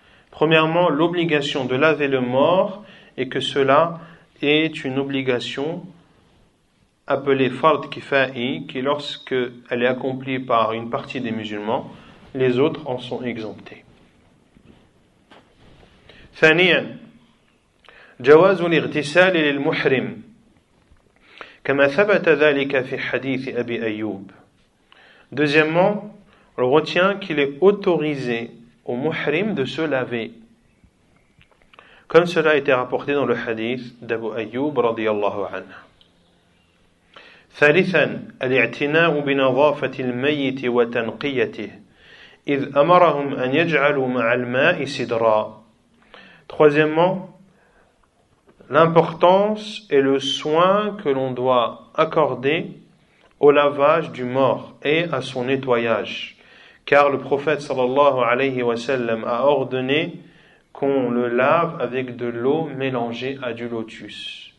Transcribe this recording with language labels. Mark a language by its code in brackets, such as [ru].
[fr] Premièrement, l'obligation de laver le mort et que cela est une obligation appelée fard kifayi, qui lorsque elle est accomplie par une partie des musulmans, les autres en sont exemptés. [ar] ثانيا جواز الاغتسال للمحرم كما ثبت ذلك في حديث أبي أيوب. [fr] Deuxièmement, on retient qu'il est autorisé au muhrim de se laver, comme cela a été rapporté dans le hadith d'Abu Ayyub [ar] radiyallahu anhu. ثالثا الاعتناء بنظافة الميت وتنقيته إذ أمرهم أن يجعلوا مع الماء سدرا. [fr] Troisièmement, l'importance et le soin que l'on doit accorder au lavage du mort et à son nettoyage, car le prophète [ar] sallallahu alayhi wa sallam [fr] a ordonné qu'on le lave avec de l'eau mélangée à du lotus.